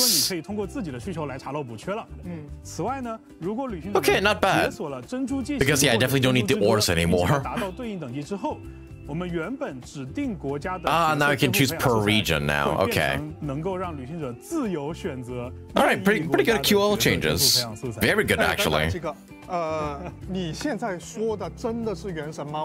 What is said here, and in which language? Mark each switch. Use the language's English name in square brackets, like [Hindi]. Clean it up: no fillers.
[Chinese] 如果你可以通过自己的需求来查漏补缺了。此外呢, [English] Okay, not bad. Because, yeah, I definitely don't need the ores anymore. [Chinese] 达到对应等级之后, 我们原本指定国家的, [English] now you can choose per region now, okay. Alright, pretty good QL changes. Very good, actually. [Chinese] 你现在说的真的是原神吗?